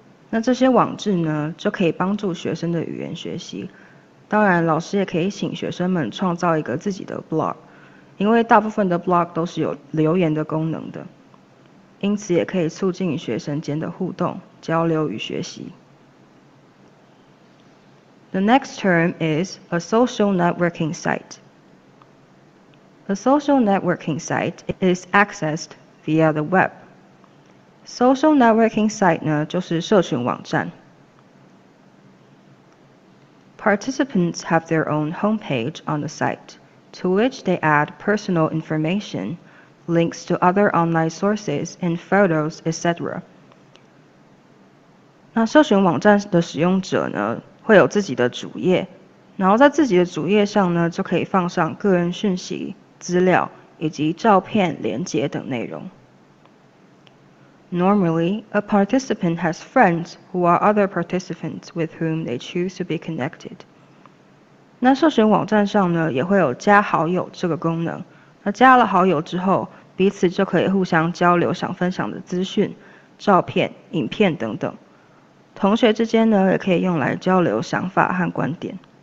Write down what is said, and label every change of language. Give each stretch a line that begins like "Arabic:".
Chinese: 那这些网志呢就可以帮助学生的语言学习，当然老师也可以请学生们创造一个自己的 blog， 因为大部分的 blog 都是有留言的功能的，因此也可以促进学生间的互动、交流与学习。
English: The next term is a social networking site. A social networking site is accessed via the web. Social networking site
Chinese: 呢，就是社群网站。
English: Participants have their own homepage on the site, to which they add personal information,links to other online sources and photos, etc.
Chinese: 那社群网站的使用者呢，会有自己的主页，然后在自己的主页上呢，就可以放上个人讯息、资料以及照片、连结等内容。
English: Normally, a participant has friends who are other participants with whom they choose to be connected.
Chinese: 那社群网站上呢，也会有加好友这个功能。那加了好友之后，彼此就可以互相交流想分享的资讯、照片、影片等等。同学之间呢，也可以用来交流想法和观点。